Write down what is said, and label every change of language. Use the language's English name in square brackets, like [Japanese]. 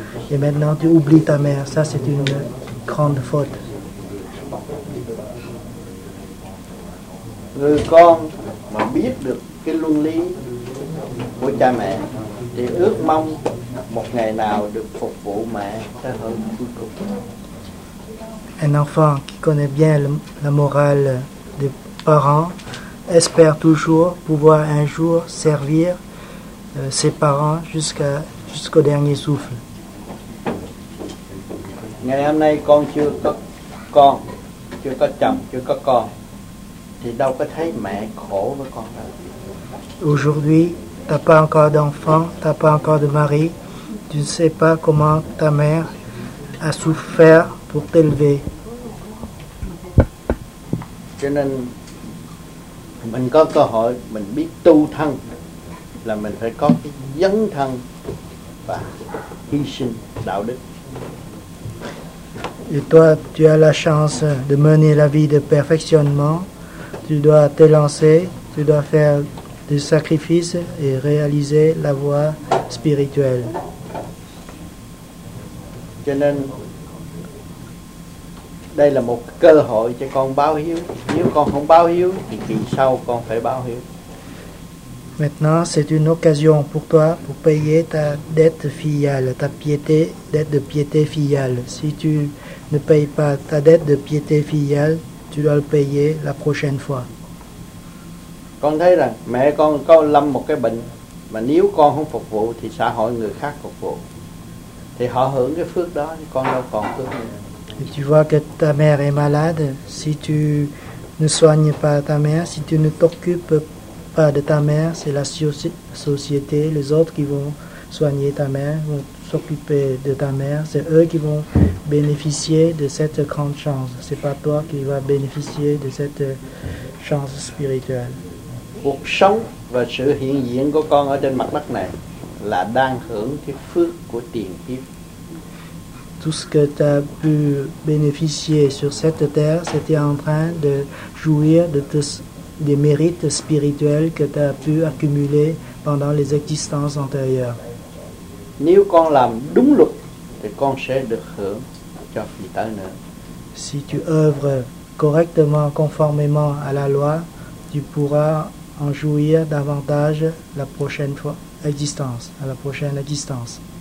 [French] Et maintenant, tu oublies ta mère. Ça, c'est une grande faute. [Vietnamese] Người con mà biết được cái luân lý của cha mẹ thì ước mong một ngày nào được phục vụ mẹ sẽ hơn cuối cùng. [French] Un enfant qui connaît bien la morale des parents espère toujours pouvoir un jour servir ses parents jusqu'au dernier souffle. [Vietnamese] Ngày hôm nay con chưa có chồng, chưa có con, thì đâu có thấy mẹ khổ với con đâu. [French] Aujourd'hui, t'as pas encore d'enfant, t'as pas encore de mari, tu ne sais pas comment ta mère a souffert pour t'élever. [Vietnamese] Cho nên mình có cơ hội mình biết tu thân là mình phải có cái dấn thân và hy sinh đạo đức. [French] Et toi, tu as la chance de mener la vie de perfectionnement. Tu dois t'élancer, tu dois faire des sacrifices et réaliser la voie spirituelle. [Vietnamese] Cho nên, đây là một cơ hội cho con báo hiếu. Nếu con không báo hiếu, thì kỳ sau con phải báo hiếu. [French] Maintenant, c'est une occasion pour toi pour payer ta dette filiale, ta piété, dette de piété filiale. Si tu ne payes pas ta dette de piété filiale, tu dois le payer la prochaine fois. [Vietnamese] Con thấy rằng mẹ con có lâm một cái bệnh, mà nếu con không phục vụ thì xã hội người khác phục vụ, thì họ hưởng cái phước đó, con đâu còn phước nữa. [French] Tu vois que ta mère est malade, si tu ne soignes pas ta mère, si tu ne t'occupes pas de ta mère, c'est la société, les autres qui vont soigner ta mère, vont s'occuper de ta mère, c'est eux qui vont bénéficier de cette grande chance. C'est pas toi qui vas bénéficier de cette chance spirituelle. [Vietnamese] Cuộc sống và sự hiện diện của con ở trên mặt đất này là đang hưởng cái phước của tiền kiếp. [French] Tout ce que tu as pu bénéficier sur cette terre, c'était en train de jouir de des mérites spirituels que tu as pu accumuler pendant les existences antérieures. [Vietnamese] Nếu con làm đúng luật thì con sẽ được hưởng cho phi tới nữa. [French] Si tu œuvres correctement conformément à la loi, tu pourras en jouir davantage la prochaine fois existence, à la prochaine existence.